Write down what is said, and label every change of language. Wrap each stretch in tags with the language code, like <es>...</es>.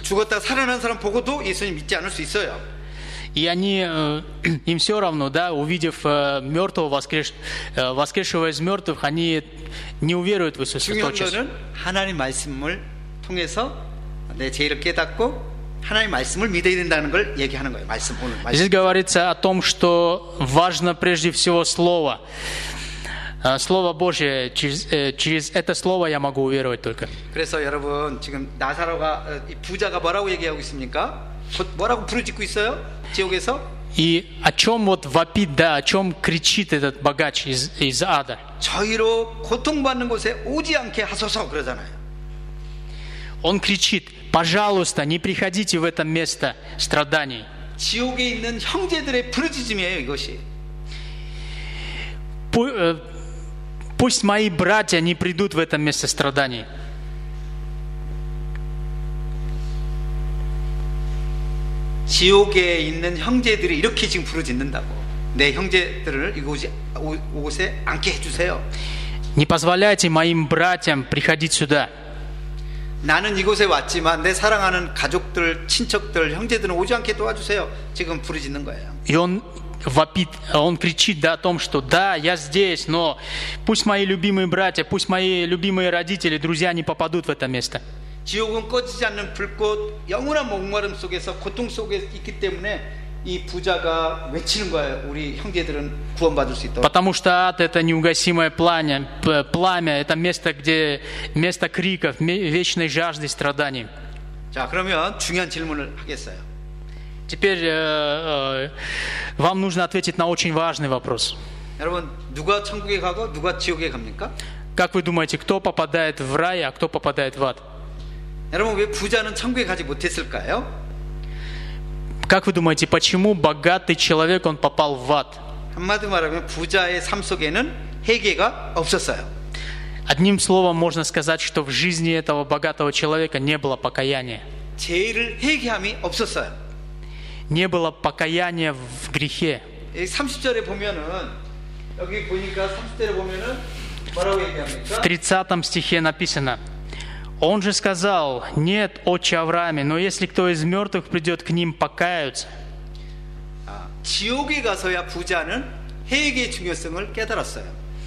<ko>죽었다 살아난 사람 보고도 예수님 믿지 않을 수 있어요.</ko> <ru>И они, им все равно, да, увидев мертвого, воскресшего из мертвых, они не уверуют в Иисуса.</ru> <ko>중요한 하나님 말씀을 통해서 내 죄를 깨닫고 하나님 말씀을 믿어야 된다는 걸 얘기하는 거예요. 말씀 오늘 말씀.</ko> <ru>Здесь говорится о том, что важно прежде всего слово. Слово Божье, через это слово я могу уверовать только.</ru> <ko>그래서 여러분, 지금 나사로가 이 부자가 뭐라고 얘기하고 있습니까? 뭐라고 부르짖고 있어요? 지옥에서?</ko> <ru>И о чем вот вопит, да, о чем кричит этот богач из ада?</ru> <ko>저희로 고통받는 곳에 오지 않게 하소서 그러잖아요.</ko> <ru>Он кричит: пожалуйста, не приходите в это место страданий.</ru> <ko>지옥에 있는 형제들의 부르짖음이에요, 이것이.</ko> <ru>Пусть мои братья не придут в это место страданий.</ru> <ko>지옥에 있는 형제들이 이렇게 지금 부르짖는다고. 내 형제들을 이곳에 앉게 해주세요.</ko> <ru>Не позволяйте моим братьям приходить сюда.</ru> <ko>나는 이곳에 왔지만 내 사랑하는 가족들, 친척들, 형제들은 오지 않게 도와주세요. 지금 부르짖는 거예요.</ko> <ru>И он вопит, он кричит, да, о том, что да, я здесь, но пусть мои любимые братья, пусть мои любимые родители, друзья не попадут в это место.</ru> <ko>지옥은 꺼지지 않는 불꽃, 영원한 목마름 속에서 고통 속에 있기 때문에 이 부자가 외치는 거예요. 우리 형제들은 구원받을 수 있도록.</ko> <ru>Потому что ад это неугасимое пламя, пламя это место, где место криков, вечной жажды страданий.</ru> <ko>자, 그러면 중요한 질문을 하겠어요.</ko> <ru>Теперь вам нужно ответить на очень важный вопрос.</ru> <ko>여러분, 누가 천국에 가고 누가 지옥에 갑니까?</ko> <ru>Как вы думаете, кто попадает в рай, а кто попадает в ад?</ru> <ko>여러분, 왜 부자는 천국에 가지 못했을까요?</ko> <ru>Как вы думаете, почему богатый человек он попал в ад?</ru> <ko>한마디로 말하면 부자의 삶 속에는 회개가 없었어요.</ko> <ru>Одним словом можно сказать, что в жизни этого богатого человека не было покаяния.</ru> <ko>죄를 회개함이 없었어요.</ko> <ru>Не было покаяния в грехе.</ru> <ko>30절에 보면은 여기 보니까 30절에 보면은 뭐라고 얘기합니까?</ko> <ru>В 30 стихе написано. Он же сказал, нет, отче Аврааме, но если кто из мертвых придет к ним, покаются.</ru> <ko>아, 지옥에 가서야 부자는 회개의 중요성을 깨달았어요.</ko>